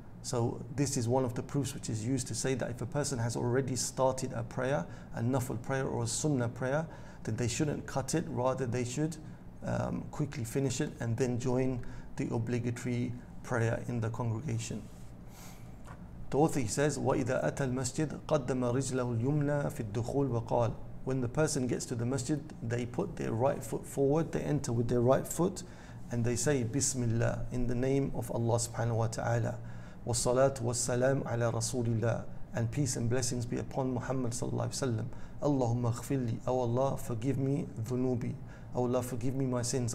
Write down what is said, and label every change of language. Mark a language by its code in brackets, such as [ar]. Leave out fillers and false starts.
[en] So this is one of the proofs which is used to say that if a person has already started a prayer, a nafl prayer or a sunnah prayer, then they shouldn't cut it, rather they should quickly finish it and then join the obligatory prayer in the congregation. The author, he says, [ar] وَإِذَا أَتَى الْمَسْجِدْ قَدَّمَ رِجْلَهُ الْيُمْنَى فِي الدُّخُولِ وَقَالَ. [en] When the person gets to the masjid, they put their right foot forward, they enter with their right foot, and they say, Bismillah, in the name of Allah subhanahu wa ta'ala. [ar] وَالصَّلَاةُ وَالسَّلَامُ عَلَى رَسُولِ اللَّهِ. [en] And peace and blessings be upon Muhammad sallallahu alayhi wa sallam. Allahumma ghfirli, oh Allah, forgive me dhunubi. Oh Allah, forgive me my sins.